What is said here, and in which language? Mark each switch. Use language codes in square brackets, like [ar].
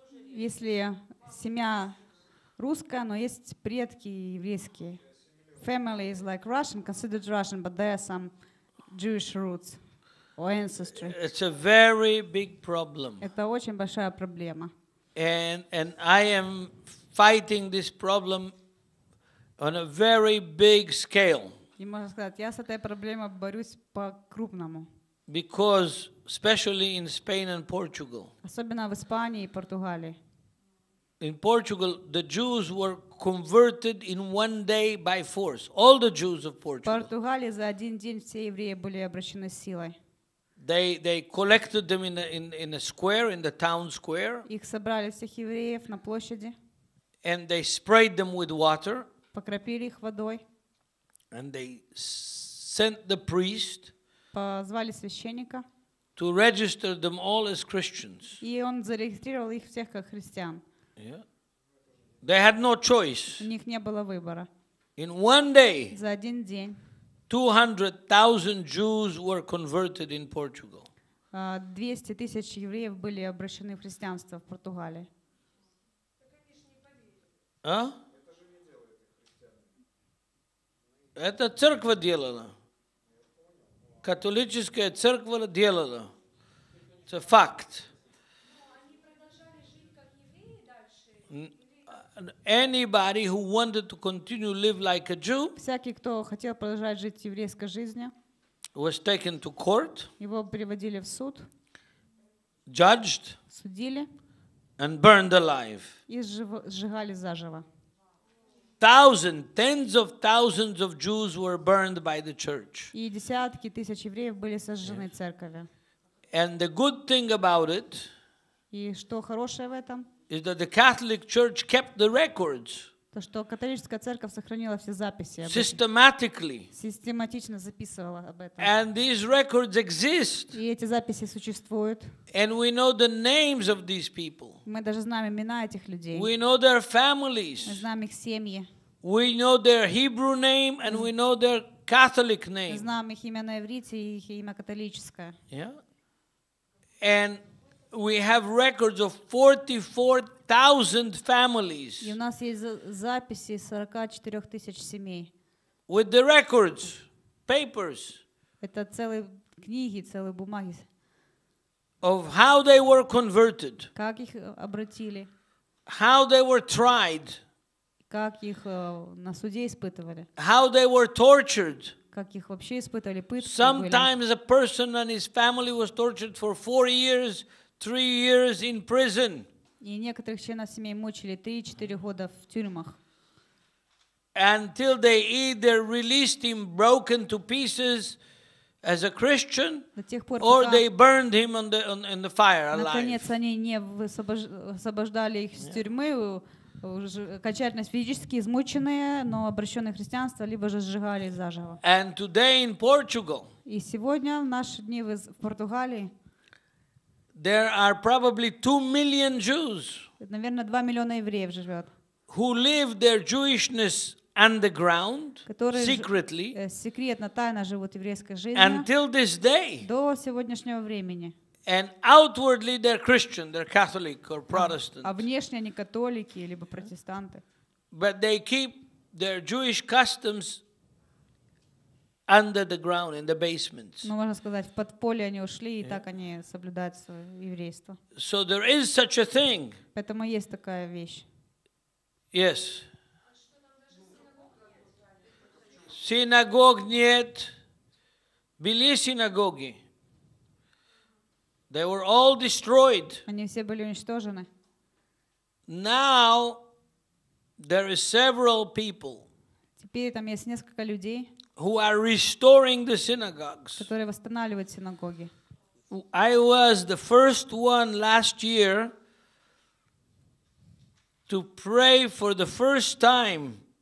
[ru] Если семья русская, но есть предки еврейские. [en] Family is like Russian, considered Russian, but there are some Jewish roots or ancestry. It's a very big problem. [ru] Это очень большая проблема. [en] And I am fighting this problem on a very big scale. [ru] И можно сказать, я с этой проблемой борюсь по-крупному. [en] Because especially in Spain and Portugal. [ru] Особенно в Испании и Португалии. [en] In Portugal, the Jews were converted in one day by force. All the Jews of Portugal. [ru] В Португалии за один день все евреи были обращены силой. [en] They collected them in a square, in the town square. [ru] Их собрали всех евреев на площади. [en] And they sprayed them with water. [ru] Покропили их водой. [en] And they sent the priest. [ru] Позвали священника. [en] To register them all as Christians. [ru] И он зарегистрировал их всех как христиан. [en] Yeah. They had no choice. [ru] У них не было выбора. [en] In one day. [ru] За один день. [en] 200,000 Jews were converted in Portugal. [ru] 200 тысяч евреев были обращены в христианство в Португалии. А? Это церковь делала. Католическая церковь делала. [en] It's a fact. Anybody who wanted to continue live like a Jew, [ru] всякий, кто хотел продолжать жить еврейской жизнью, [en] was taken to court, [ru] его приводили в суд, [en] judged, [ru] судили, [en] and burned alive. [ru] И сжигали заживо. [en] Thousands, tens of thousands of Jews were burned by the church. [ru] И десятки тысяч евреев были сожжены церковью. [en] And the good thing about it, [ru] и что хорошее в этом, [en] is that the Catholic Church kept the records. [ru] То, что католическая церковь сохранила все записи. [en] Systematically. [ru] Систематично записывала об этом. [en] And these records exist. [ru] И эти записи существуют. [en] And we know the names of these people. [ru] Мы даже знаем имена этих людей. [en] We know their families. [ru] Мы знаем их семьи. [en] We know their Hebrew name and we know their Catholic name. [ru] Мы знаем их имя на иврите и их имя католическое. [en] Yeah. And we have records of 44,000 families. [ru] И у нас есть записи 44,000 семей. [en] With the records, papers. [ru] Это целые книги, целые бумаги. [en] Of how they were converted. [ru] Как их обратили. [en] How they were tried. [ru] Как их на суде испытывали. [en] How they were tortured. [ru] Как их вообще испытывали, пытки были. [en] Sometimes a person and his family was tortured for 4 years, 3 years in prison. [ru] И некоторых членов семей мучили 3-4 года в тюрьмах. [en] Until they either released him broken to pieces as a Christian, or they burned him in the fire alive. [ru] Наконец они не освобождали их из тюрьмы, окончательно физически измученные, но обращенные в христианство, либо же сжигали заживо. [en] And today in Portugal. [ru] И сегодня в наши дни в Португалии. [en] There are probably 2 million Jews. [ru] Наверное, 2 миллиона евреев живет. [en] who live their Jewishness underground, secretly, [ru] секретно, тайно живут еврейской жизнью, [en] until this day. [ru] До сегодняшнего времени. [en] And outwardly they're Christian, they're Catholic or Protestant. [ru] А внешне они католики либо протестанты. [en] But they keep their Jewish customs under the ground, in the basements. [ru] Ну, можно сказать, в подполье они ушли, и так они соблюдают свое еврейство. [en] So there is such a thing. [ru] Поэтому есть такая вещь. [en] Yes. [ru] Синагог нет. Были синагоги. [en] They were all destroyed. [ru] Они все были уничтожены. [en] Now there are several people. [ru] Теперь там есть несколько людей. [en] Who are restoring the synagogues? [ru] Которые восстанавливают синагоги. [en] I was the first one last year to pray for the first time.